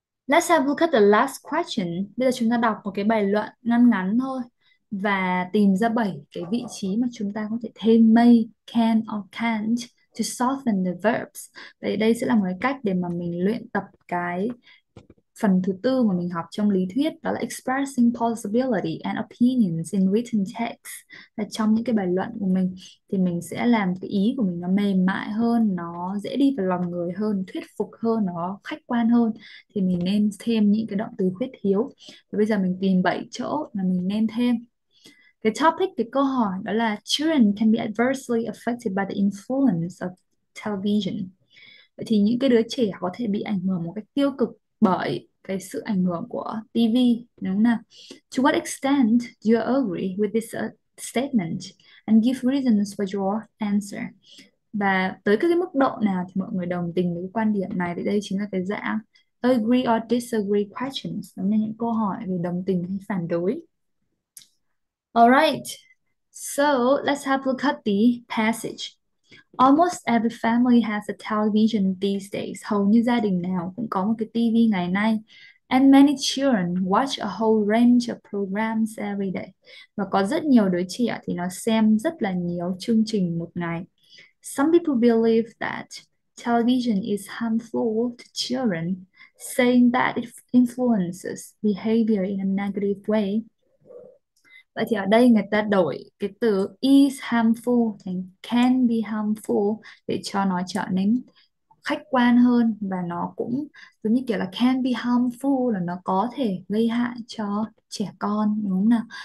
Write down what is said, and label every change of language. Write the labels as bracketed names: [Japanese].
[English] Let's have a look at the last question. [Vietnamese] Bây giờ chúng ta đọc một cái bài luận ngắn ngắn thôi và tìm ra 7 cái vị trí mà chúng ta có thể thêm may, can or can't [English] to shorten the verbs. [Vietnamese] Vậy đây sẽ là một cái cách để mà mình luyện tập cái phần thứ tư mà mình học trong lý thuyết, đó là [English] expressing possibility and opinions in written text. [Vietnamese] Là trong những cái bài luận của mình thì mình sẽ làm cái ý của mình nó mềm mại hơn, nó dễ đi vào lòng người hơn, thuyết phục hơn, nó khách quan hơn, thì mình nên thêm những cái động từ khuyết thiếu. Và bây giờ mình tìm 7 chỗ mà mình nên thêm. Cái topic, cái câu hỏi đó là [English] children can be adversely affected by the influence of television. [Vietnamese] Vậy thì những cái đứa trẻ có thể bị ảnh hưởng một cách tiêu cực bởi cái sự ảnh hưởng của TV, đúng nào? [English] To what extent do you agree with this statement and give reasons for your answer? [Vietnamese] Và tới cái mức độ nào thì mọi người đồng tình với cái quan điểm này, thì đây chính là cái dạng [English] agree or disagree questions, [Vietnamese] đúng là những câu hỏi về đồng tình hay phản đối. [English] Alright, so let's have a look at the passage. Almost every family has a television these days. [Vietnamese] Hầu như gia đình nào cũng có một cái TV ngày nay. [English] And many children watch a whole range of programs every day. [Vietnamese] Và có rất nhiều đứa trẻ thì nó xem rất là nhiều chương trình một ngày. [English] Some people believe that television is harmful to children, saying that it influences behavior in a negative way. [Vietnamese] Vậy thì ở đây người ta đổi cái từ is harmful thành [English] can be harmful [Vietnamese] để cho nó trở nên khách quan hơn, và nó cũng giống như kiểu là can be harmful là nó có thể gây hại cho trẻ con, đúng không nào?